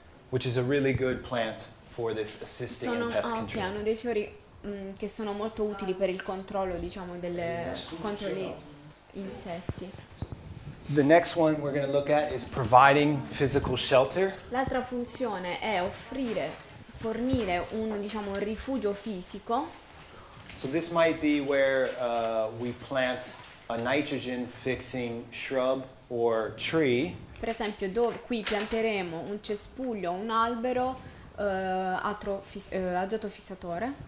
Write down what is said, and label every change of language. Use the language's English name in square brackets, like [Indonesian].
[English] Which is a really good plant for this assisting [Italian] sono, [English] and pest control. Okay, [Italian] hanno dei fiori che sono molto utili per il controllo, diciamo, delle contro gli insetti. [English] The next one we're going to look at is providing physical shelter. [Italian] L'altra funzione è offrire, fornire un, diciamo, rifugio fisico. [English] So this might be where we plant a nitrogen fixing shrub or tree. [Italian] Per esempio, dove qui pianteremo un cespuglio, un albero azoto fissatore.